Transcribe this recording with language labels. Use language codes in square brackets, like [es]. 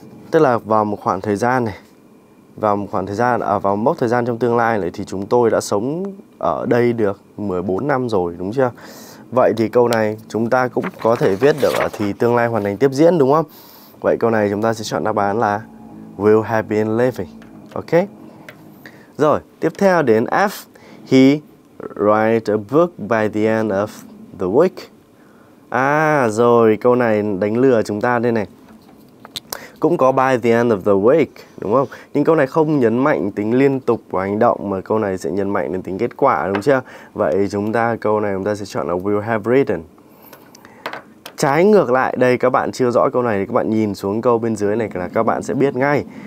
[vi] Tức là vào một khoảng thời gian này, vào mốc thời gian trong tương lai này thì chúng tôi đã sống ở đây được 14 năm rồi, đúng chưa? Vậy thì câu này chúng ta cũng có thể viết được ở thì tương lai hoàn thành tiếp diễn, đúng không? Vậy câu này chúng ta sẽ chọn đáp án là will have been living. Ok. Rồi, tiếp theo đến F. [en] He write a book by the end of the week. [vi] À rồi, câu này đánh lừa chúng ta đây này. Cũng có by the end of the week, đúng không? Nhưng câu này không nhấn mạnh tính liên tục của hành động, mà câu này sẽ nhấn mạnh đến tính kết quả, đúng chưa? Vậy chúng ta, câu này chúng ta sẽ chọn là will have written. Trái ngược lại, đây các bạn chưa rõ câu này thì các bạn nhìn xuống câu bên dưới này là các bạn sẽ biết ngay.